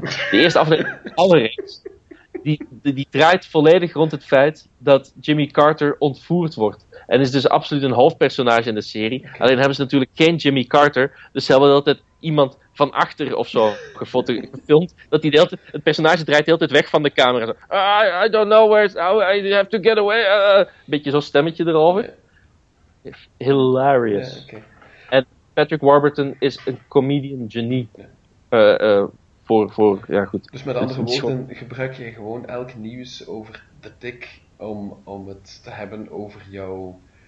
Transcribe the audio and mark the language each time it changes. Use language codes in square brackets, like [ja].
[nl] De eerste aflevering van de oude reeks. Die draait volledig rond het feit dat Jimmy Carter ontvoerd wordt. En is dus absoluut een hoofdpersonage in de serie. Okay. Alleen hebben ze natuurlijk geen Jimmy Carter. Dus ze hebben altijd iemand... van achter of zo gefilmd, dat die het personage draait de hele tijd weg van de camera. [en] Zo, I don't know where it's, I have to get away. [nl] Beetje zo'n stemmetje erover. [en] Yeah. Hilarious. Yeah, okay. [nl] En Patrick Warburton is een comedian genie. [en] Yeah. Goed. [nl] Dus met andere woorden, gebruik je gewoon elk nieuws over de Tick om het te hebben over jouw